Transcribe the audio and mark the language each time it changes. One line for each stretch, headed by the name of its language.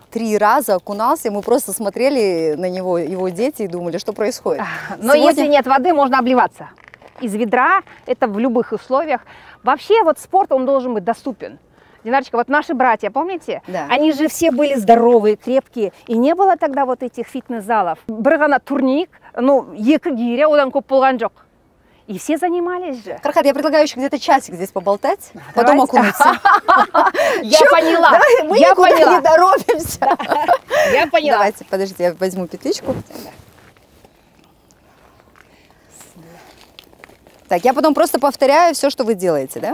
Russian: три раза окунался, и мы просто смотрели на него, его дети, и думали, что происходит. Но сегодня... если нет воды, можно обливаться. Из ведра, это в любых условиях. Вообще, вот спорт, он должен быть доступен. Динарочка, вот наши братья, помните? Да. Они же все были здоровые, крепкие. И не было тогда вот этих фитнес-залов.
Kazakh: Брыгана турник, ну, екі гиря, одан көп болған жоқ.
Russian: И все занимались же. Кархат, я предлагаю еще где-то часик здесь поболтать, давайте. Потом окунуться. Я поняла. Мы никуда не торопимся. Я поняла. Давайте, подождите, я возьму петличку. Так, я потом просто повторяю все, что вы делаете, да?